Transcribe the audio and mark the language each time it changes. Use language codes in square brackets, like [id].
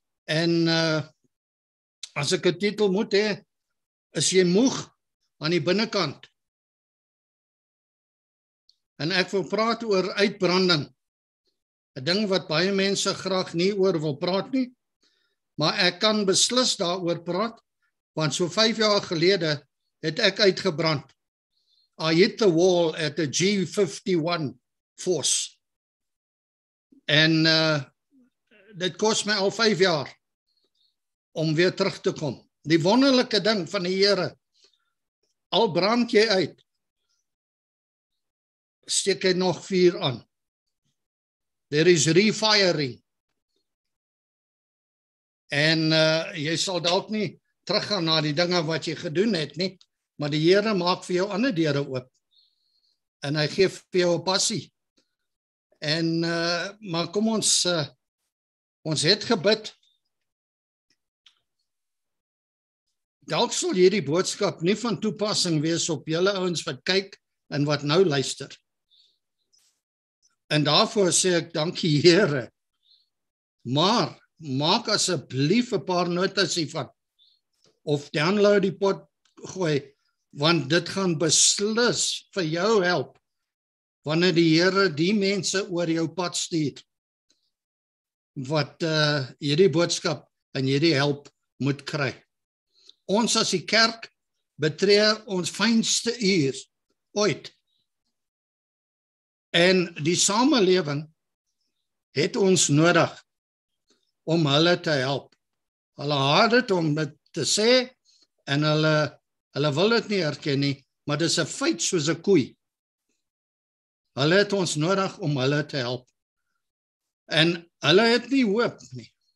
[af] En as ek 'n titel moet hê, is jy moeg aan die binnenkant. En ek wil praat oor uitbranding. 'N ding wat baie mense graag nie oor wil praat nie, maar ek kan beslis daar oor praat, want so 5 jaar gelede het ek uitgebrand. [en] I hit the wall at a G51 force. [af] En dit kost my al 5 jaar om weer terug te kom. Die wonderlike ding van die Here, al brand jy uit, steek jy nog vuur aan. [en] There is refiring. [af] En jy sal dalk nie teruggaan na die dinge wat jy gedoen het nie, maar die Here maak vir jou ander deure oop. En hy gee vir jou 'n passie. En maar kom ons ons het gebid. Dalk sal hierdie boodskap nie van toepassing wees op julle ouens wat kyk en wat nou luister. En daarvoor sê ek dankie Here. Maar maak asseblief 'n paar notas hiervan of download die pod gooi, want dit gaan beslis vir jou help wanneer die Here die mense oor jou pad stuur wat hierdie boodskap en hierdie help moet kry. Ons as die kerk betree ons fynste uur ooit. En die samelewing het ons nodig om hulle te help. Hulle haat het om dit te sê, en hulle wil het nie herken nie, maar dit is een feit soos een koei. Hulle het ons nodig om hulle te help. En hulle het nie hoop nie.